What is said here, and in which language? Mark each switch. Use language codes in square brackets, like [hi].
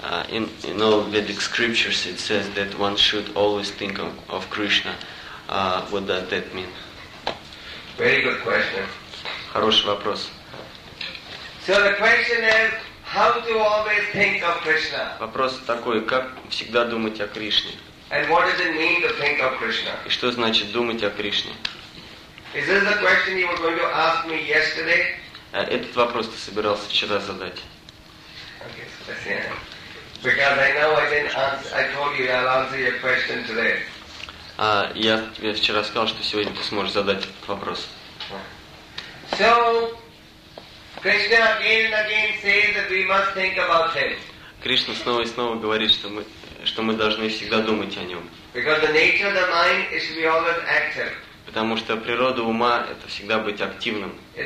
[en] In all Vedic scriptures, it says that one should always think of Krishna. What does that mean? Very good question. [ru] Хороший вопрос. [en] So the question is, how to always think of Krishna? [ru] Вопрос такой: как всегда думать о Кришне? [en] And what does it mean to think of Krishna? [ru] И что значит думать о Кришне? [en] Is this the question you were going to ask me yesterday? [ru] Этот вопрос ты собирался вчера задать. [en] Okay, [ru] спасибо. [en] Because I know I didn't answer. I told you I'll answer your question today. [ru] Я тебе вчера сказал, что сегодня ты сможешь задать этот вопрос. [en] So Krishna again and again says that we must think about him. [ru] Кришна снова и снова говорит, что мы должны всегда думать о нем. [en] Because the nature of the mind is to be always active. [ru] Потому что природа ума – это всегда быть активным.